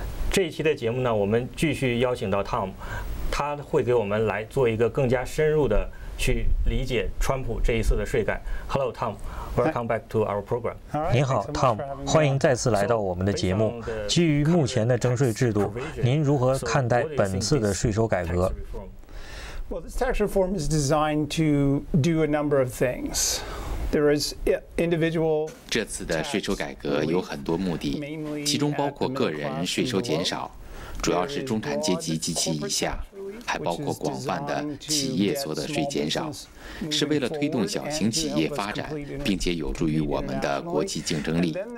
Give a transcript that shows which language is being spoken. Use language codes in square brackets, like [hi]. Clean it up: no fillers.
[zh] 这一期的节目呢，我们继续邀请到 Tom， 他会给我们来做一个更加深入的去理解川普这一次的税改。 [en] Hello, Tom. Welcome back to our program. [zh] 您好 ，Tom， 欢迎再次来到我们的节目。基于目前的征税制度，您如何看待本次的税收改革？ [en] Well, this tax reform is designed to do a number of things. There is individual. [zh] 这次的税收改革有很多目的，其中包括个人税收减少，主要是中产阶级及其以下，还包括广泛的企业所得税减少，是为了推动小型企业发展，并且有助于我们的国际竞争力。